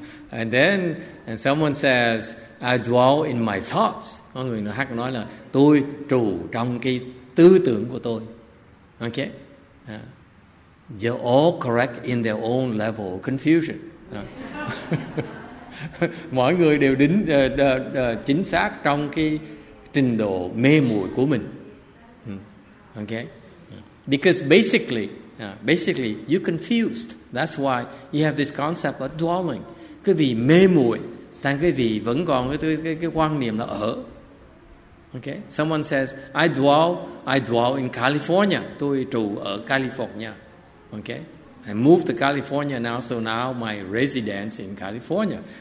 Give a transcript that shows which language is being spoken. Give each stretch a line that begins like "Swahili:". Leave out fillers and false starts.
English: and then someone says, I dwell in my thoughts.
Vietnamese: Con người khác nói là tôi trụ trong cái tư tưởng của tôi.
English: Okay? They're all correct in their own level of confusion.
Vietnamese: Mọi người đều đính chính xác trong cái trình độ mê muội của mình.
English: Okay, because basically you're confused. That's why you have this concept of dwelling.
Vietnamese: Quý vị mê muội, tại quý vị vẫn còn cái quan niệm là ở.
English: Okay, someone says I dwell in California.
Vietnamese: Tôi trụ ở California.
English: Okay, I moved to California now, so now my residence in California.